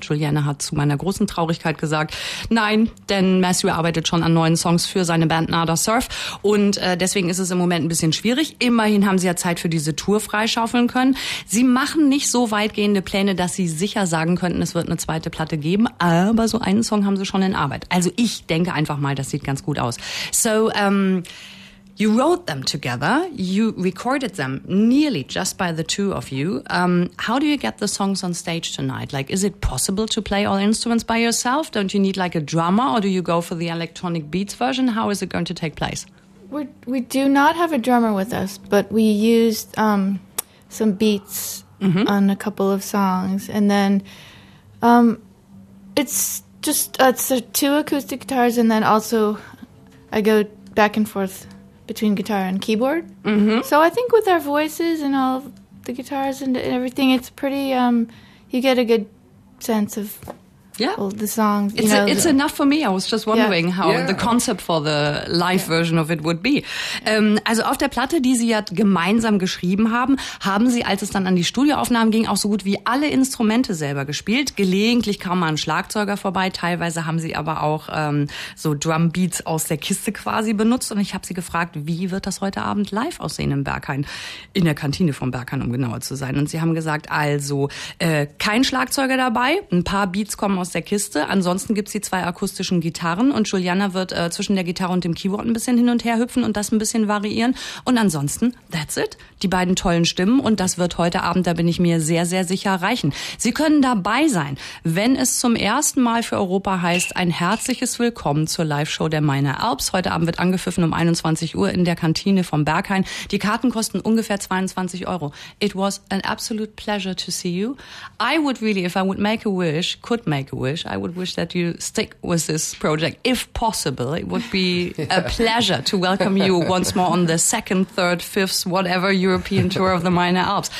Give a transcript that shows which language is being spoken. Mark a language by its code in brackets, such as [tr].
[de] Juliana hat zu meiner großen Traurigkeit gesagt, nein, denn Matthew arbeitet schon an neuen Songs für seine Band Nada Surf. Und deswegen ist es im Moment ein bisschen schwierig. Immerhin haben sie ja Zeit für diese Tour freischaufeln können. Sie machen nicht so weitgehende Pläne, dass sie sicher sagen könnten, es wird eine zweite Platte geben, aber so einen Song haben sie schon in Arbeit. Also ich denke einfach mal, das sieht ganz gut aus. [en] So, you wrote them together, you recorded them nearly just by the two of you. How do you get the songs on stage tonight? Like, is it possible to play all instruments by yourself? Don't you need like a drummer, or do you go for the electronic beats version? How is it going to take place? We do not have a drummer with us, but we used some beats mm-hmm. on a couple of songs, and then it's two acoustic guitars, and then also I go back and forth between guitar and keyboard. Mm-hmm. So I think with our voices and all the guitars and everything, it's pretty, you get a good sense of all the songs. It's enough for me. I was just wondering how the concept for the live version of it would be. [de] Also auf der Platte, die Sie ja gemeinsam geschrieben haben, haben Sie, als es dann an die Studioaufnahmen ging, auch so gut wie alle Instrumente selber gespielt. Gelegentlich kam mal ein Schlagzeuger vorbei. Teilweise haben Sie aber auch so Drumbeats aus der Kiste quasi benutzt. Und ich habe Sie gefragt, wie wird das heute Abend live aussehen im Berghain? In der Kantine vom Berghain, um genauer zu sein. Und Sie haben gesagt, also kein Schlagzeuger dabei, ein paar Beats kommen aus der Kiste. Ansonsten gibt es die zwei akustischen Gitarren und Juliana wird zwischen der Gitarre und dem Keyboard ein bisschen hin und her hüpfen und das ein bisschen variieren. Und ansonsten, [en] that's it. [de] Die beiden tollen Stimmen und das wird heute Abend, da bin ich mir sehr, sehr sicher, reichen. Sie können dabei sein, wenn es zum ersten Mal für Europa heißt, ein herzliches Willkommen zur Live-Show der Mainer Alps. Heute Abend wird angepfiffen um 21 Uhr in der Kantine vom Berghain. Die Karten kosten ungefähr 22 Euro. [en] It was an absolute pleasure to see you. I would really, if I would make a wish, could make a wish. I would wish that you stick with this project if possible. It would be a pleasure to welcome you once more on the second, third, fifth, whatever European tour of the Mainer Alps.